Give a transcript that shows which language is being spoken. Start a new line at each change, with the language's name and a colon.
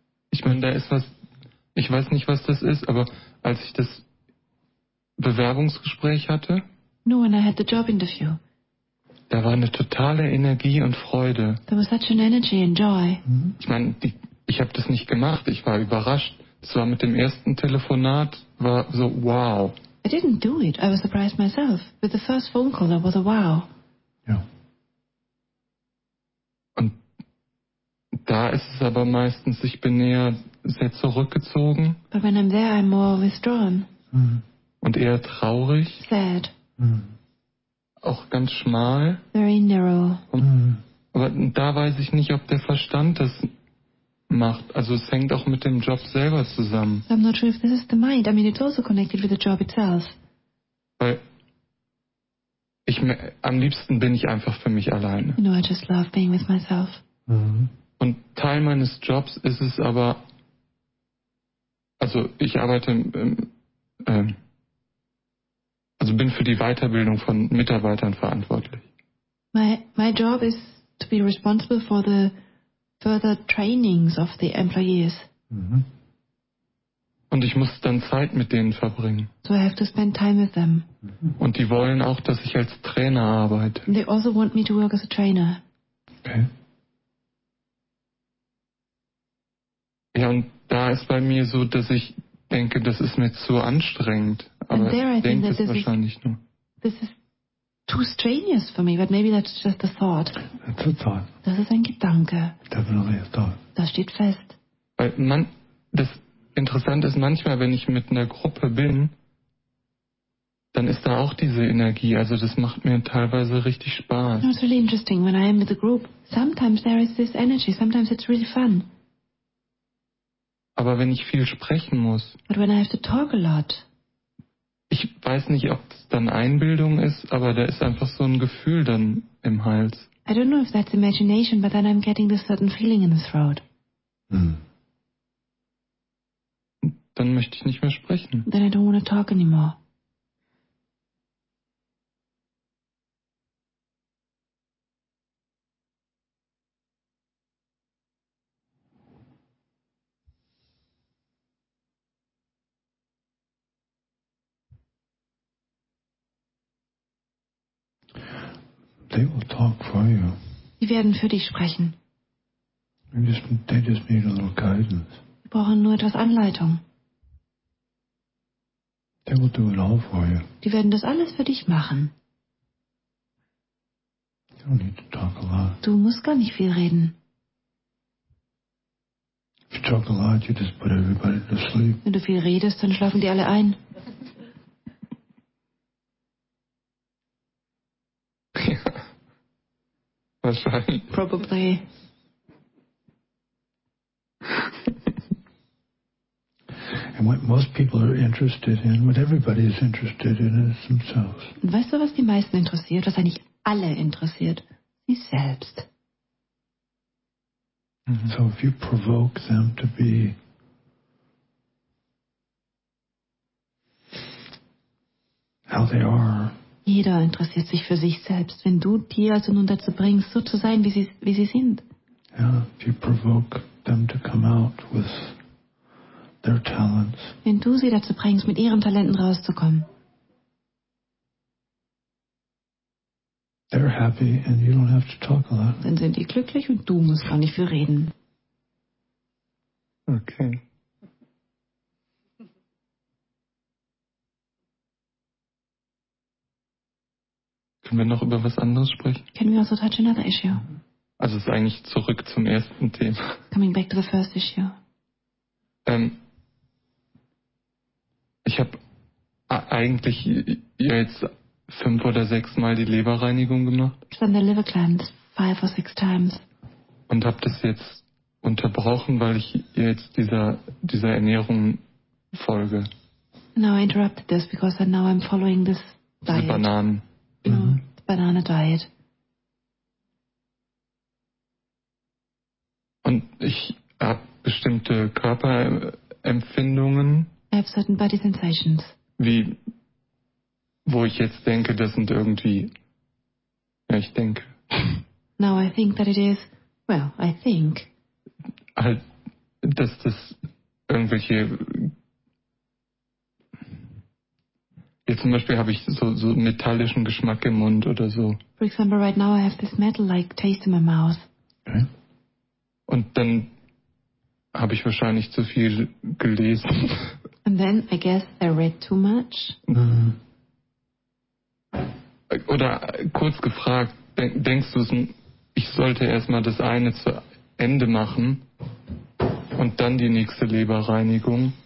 German: Ich meine, da ist was, ich weiß nicht, was das ist, aber als ich das Bewerbungsgespräch hatte.
English: No, when I had the job interview.
German: Da war eine totale Energie und Freude.
English: There was such an energy and joy.
German: Mhm. Ich meine, ich habe das nicht gemacht. Ich war überrascht. Das war mit dem ersten Telefonat, war so, wow.
English: I didn't do it. I was surprised myself. With the first phone call, I was a wow.
German: Ja. Und da ist es aber meistens, ich bin eher sehr zurückgezogen.
English: But when I'm there, I'm more withdrawn. Mhm.
German: Und eher traurig.
English: Sad. Mhm.
German: Auch ganz schmal.
English: Very narrow. Mhm.
German: Aber da weiß ich nicht, ob der Verstand das macht. Also es hängt auch mit dem Job selber zusammen.
English: I'm not sure if this is the mind. I mean, it's also connected with the job itself.
German: Weil ich am liebsten bin ich einfach für mich alleine.
English: You know, I just love being with myself. Mhm.
German: Und Teil meines Jobs ist es aber, also ich arbeite, also bin für die Weiterbildung von Mitarbeitern verantwortlich.
English: My job is to be responsible for the further trainings of the employees. Mhm.
German: Und ich muss dann Zeit mit denen verbringen.
English: So I have to spend time with them.
German: Und die wollen auch, dass ich als Trainer arbeite.
English: And they also want me to work as a trainer. Okay.
German: Ja, und da ist bei mir so, dass ich denke, das ist mir zu anstrengend. Aber
English: and there
German: ich denke es wahrscheinlich nur.
English: This is too strenuous for me, but maybe that's just a thought. That's a thought.
German: Das ist ein Gedanke.
English: Definitely a thought.
German: Das steht fest. Weil das Interessante ist, manchmal, wenn ich mit einer Gruppe bin, dann ist da auch diese Energie. Also das macht mir teilweise richtig Spaß.
English: It's really interesting when I am with a group. Sometimes there is this energy. Sometimes it's really fun.
German: Aber wenn ich viel sprechen muss.
English: But when I have to talk a lot.
German: Ich weiß nicht, ob es dann Einbildung ist, aber da ist einfach so ein Gefühl dann im Hals.
English: I don't know if that's imagination, but then I'm getting this certain feeling in the throat. Mm.
German: Dann möchte ich nicht mehr sprechen.
English: Then I don't want to talk anymore. They will talk for you.
German: Die werden für dich sprechen.
English: They just need a little guidance.
German: Die brauchen nur etwas Anleitung.
English: They will do it all for you.
German: Die werden das alles für dich machen.
English: You don't need to talk a lot.
German: Du musst gar nicht viel reden.
English: If you talk a lot, you just put everybody to sleep.
German: Wenn du viel redest, dann schlafen die alle ein. Wahrscheinlich.
English: Probably. And what most people are interested in, what everybody is interested in, is themselves.
German: Weißt du, was die meisten interessiert, was eigentlich alle interessiert? Sie selbst. Mm-hmm.
English: So if you provoke them to be how they are.
German: Jeder interessiert sich für sich selbst. Wenn du die also nun dazu bringst, so zu sein, wie sie sind.
English: Ja, if you provoke them to come out with their talents.
German: Wenn du sie dazu bringst, mit ihren Talenten rauszukommen.
English: They're happy and you don't have to talk a lot.
German: Dann sind die glücklich und du musst gar nicht viel reden.
English: Okay.
German: Können wir noch über was anderes sprechen?
English: Can we also touch another issue?
German: Also es ist eigentlich zurück zum ersten Thema.
English: Coming back to the first issue.
German: Ich habe eigentlich jetzt 5 oder 6 Mal die Leberreinigung gemacht.
English: It's been the liver cleanse 5 or 6 times.
German: Und habe das jetzt unterbrochen, weil ich jetzt dieser Ernährung folge.
English: Now I interrupted this because now I'm following this diet.
German: Diese Bananen.
English: Mm-hmm. Banana diet.
German: Und ich habe bestimmte Körperempfindungen.
English: I have certain body sensations.
German: Wie, wo ich jetzt denke, das sind irgendwie, ja, ich denke.
English: Now I think that it is, well, I think.
German: Halt, dass das irgendwelche, jetzt zum Beispiel habe ich so metallischen Geschmack im Mund oder so.
English: For example, right now I have this metal-like taste in my mouth. Okay.
German: Und dann habe ich wahrscheinlich zu viel gelesen.
English: And then I guess I read too much.
German: Oder kurz gefragt, denkst du, ich sollte erstmal das eine zu Ende machen und dann die nächste Leberreinigung?